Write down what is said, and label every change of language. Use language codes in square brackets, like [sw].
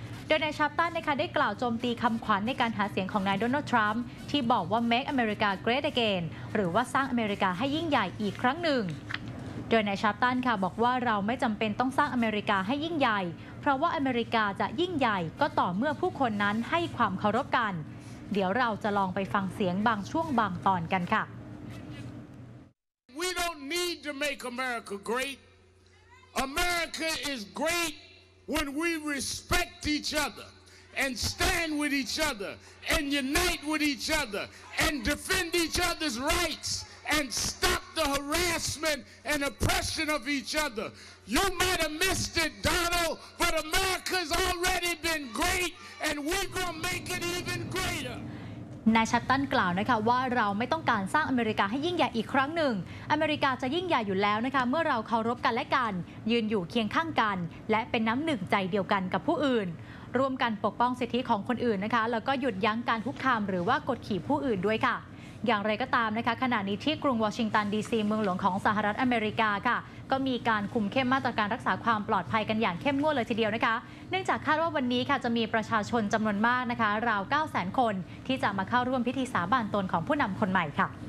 [th] โดยนายชาปตันนะคะได้กล่าวโจมตีคำขวัญในการหาเสียงของนายโดนัลด์ทรัมป์ที่บอกว่า [en] Make America Great Again [th] หรือว่าสร้างอเมริกาให้ยิ่งใหญ่อีกครั้งหนึ่ง โดยนายชาร์ปตันค่ะบอกว่าเราไม่จำเป็นต้องสร้างอเมริกาให้ยิ่งใหญ่เพราะว่าอเมริกาจะยิ่งใหญ่ก็ต่อเมื่อผู้คนนั้นให้ความเคารพกันเดี๋ยวเราจะลองไปฟังเสียงบางช่วงบางตอนกันค่ะ [en] We don't need to make America great. America is great when we respect each other and stand with each other and unite with each other and defend each other's rights. And stop the harassment and oppression of each other. You might have missed it, Donald, but America's already been great, and we're gonna make it even greater. [th] นายชัตตันกล่าวนะคะว่าเราไม่ต้องการสร้างอเมริกาให้ยิ่งใหญ่อีกครั้งหนึ่งอเมริกาจะยิ่งใหญ่อยู่แล้วนะคะเมื่อเราเคารพกันและกันยืนอยู่เคียงข้างกันและเป็นน้ำหนึ่งใจเดียวกันกับผู้อื่น ร่วมกันปกป้องสิทธิของคนอื่นนะคะแล้วก็หยุดยั้งการคุกคามหรือว่ากดขี่ผู้อื่นด้วยค่ะอย่างไรก็ตามนะคะขณะนี้ที่กรุงวอชิงตันดีซีเมืองหลวงของสหรัฐอเมริกาค่ะก็มีการคุมเข้มมาตรการรักษาความปลอดภัยกันอย่างเข้มงวดเลยทีเดียวนะคะเนื่องจากคาดว่าวันนี้ค่ะจะมีประชาชนจำนวนมากนะคะราว 900,000 คนที่จะมาเข้าร่วมพิธีสาบานตนของผู้นำคนใหม่ค่ะ